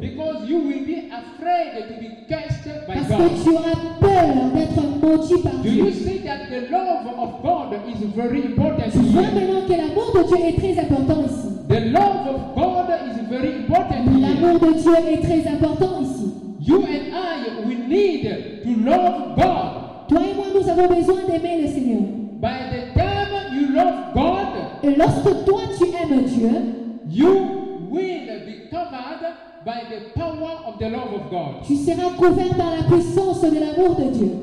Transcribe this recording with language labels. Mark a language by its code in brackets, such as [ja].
[en] Because you will be afraid to be cursed by God. [fr] Parce que tu auras peur d'être maudit par Dieu. [en] Do you see that the love of God is very important? [fr] Tu vois maintenant que l'amour de Dieu est très important ici. [en] The love of God is very important. [fr] L'amour de Dieu est très important ici. [en] You and I, we need to love God. [fr] Toi et moi, nous avons besoin d'aimer le Seigneur. [en] By the time you love God. [fr] Mais lorsque toi tu aimes Dieu, [en] you will be covered by the power of the love of God. [fr] Tu seras couvert par la puissance de l'amour de Dieu.